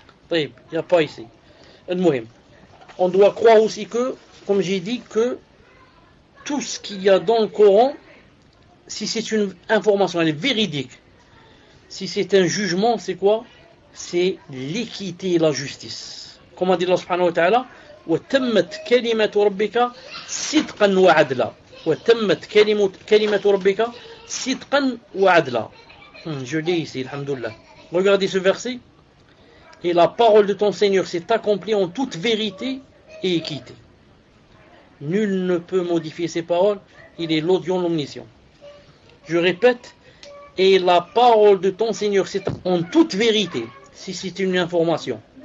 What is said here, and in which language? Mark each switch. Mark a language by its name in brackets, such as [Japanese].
[French] Il n'y a pas ici. On doit croire aussi que, comme j'ai dit, que tout ce qu'il y a dans le Coran, si c'est une information, elle est véridique. Si c'est un jugement, c'est quoi? C'est l'équité et la justice. Comme a dit Allah subhanahu wa ta'ala, [Arabic] وَتَمَّتْ كَلِمَةُ رَبِّكَ صِدْقًا وَعَدْلًا وَتَمَّتْ كَلِمَةُ رَبِّكَ صِدْقًا وَعَدْلًا. [French] Je lis ici, alhamdoulilah. Regardez ce verset. Et la parole de ton Seigneur s'est accomplie en toute vérité et équité. Nul ne peut modifier ses paroles. Il est l'audient, l'omniscient. Je répète. Et la parole de ton Seigneur s'est accomplie en toute vérité, si c'est une information.